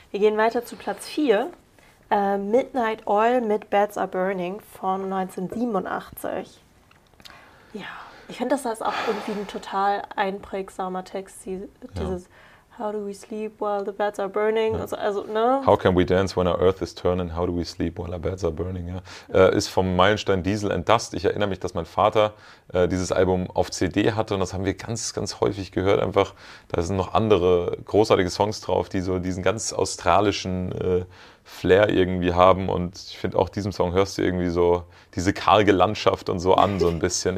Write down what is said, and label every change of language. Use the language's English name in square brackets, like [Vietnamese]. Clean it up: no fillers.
[German] Wir gehen weiter zu Platz 4, Midnight Oil mit Beds Are Burning von 1987. Ja, ich finde, das ist auch irgendwie ein total einprägsamer Text, dieses How do we sleep while the beds are burning? Ja. Also, [English] How can we dance when our earth is turning? How do we sleep while our beds are burning? Ja. [German] Ist vom Meilenstein Diesel and Dust. Ich erinnere mich, dass mein Vater dieses Album auf CD hatte und das haben wir ganz, ganz häufig gehört. Einfach, da sind noch andere großartige Songs drauf, die so diesen ganz australischen Flair irgendwie haben und ich finde auch diesem Song hörst du irgendwie so diese karge Landschaft und so an, so ein bisschen.